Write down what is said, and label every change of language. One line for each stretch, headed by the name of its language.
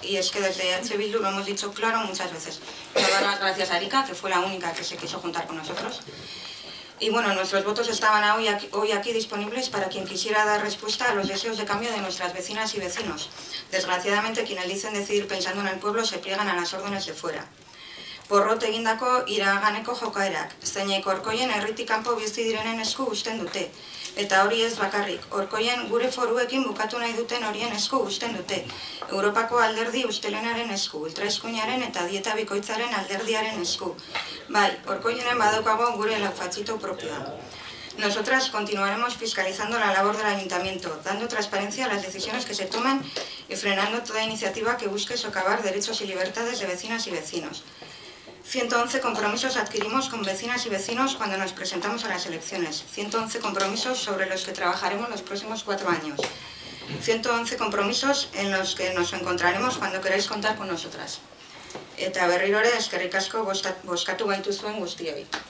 Spanish: Y es que desde EH Bildu lo hemos dicho claro muchas veces. Quiero dar las gracias a Erika, que fue la única que se quiso juntar con nosotros. Y bueno, nuestros votos estaban hoy aquí disponibles para quien quisiera dar respuesta a los deseos de cambio de nuestras vecinas y vecinos. Desgraciadamente, quienes dicen decidir pensando en el pueblo se pliegan a las órdenes de fuera.
Basque: Porrot egindako iraganeko jokaerak, zeineko Orcoyen herritik kanpo bizi direnen esku uzten dute. Eta hori ez bakarrik, Orcoyen gure foruekin bukatu nahi duten horien esku uzten dute. Europako alderdi ustelenaren esku, ultraeskuinaren eta dieta bikoitzaren alderdiaren esku. Bai, Orcoyenen badaukago gure lafatxito propioa.
Spanish: Nosotras continuaremos fiscalizando la labor del ayuntamiento, dando transparencia a las decisiones que se toman y frenando toda iniciativa que busque socavar derechos y libertades de vecinas y vecinos. 111 compromisos adquirimos con vecinas y vecinos cuando nos presentamos a las elecciones. 111 compromisos sobre los que trabajaremos los próximos 4 años. 111 compromisos en los que nos encontraremos cuando queráis contar con nosotras.
Basque: Eta berrirore eskerrik asko bozkatu gaituzuen guztioi.